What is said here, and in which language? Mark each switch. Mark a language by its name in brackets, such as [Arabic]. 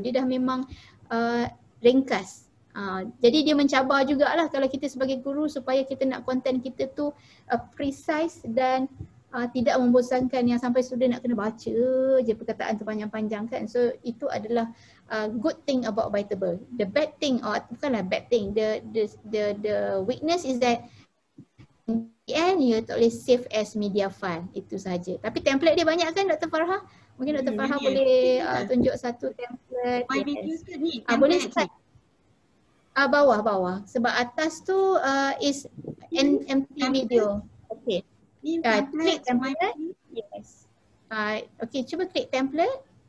[Malay] Dia dah memang ringkas. Jadi dia mencabar jugalah kalau kita sebagai guru supaya kita nak content kita tu precise dan tidak membosankan yang sampai student nak kena baca je perkataan tu panjang-panjang kan. [English] So [Malay] itu adalah [English] good thing about Writable. The bad thing, or [Malay] bukanlah [English] bad thing, the weakness is that in the end you [Malay] tak boleh [English] save as media file. [Malay] Itu saja. Tapi template dia banyak kan, Dr. Farha? Mungkin Dr. Farha boleh tunjuk satu template. Boleh start. Bawah. Sebab atas tu [English] is empty video. [Malay] Okay. Klik template. Yes. Okay, cuba klik template.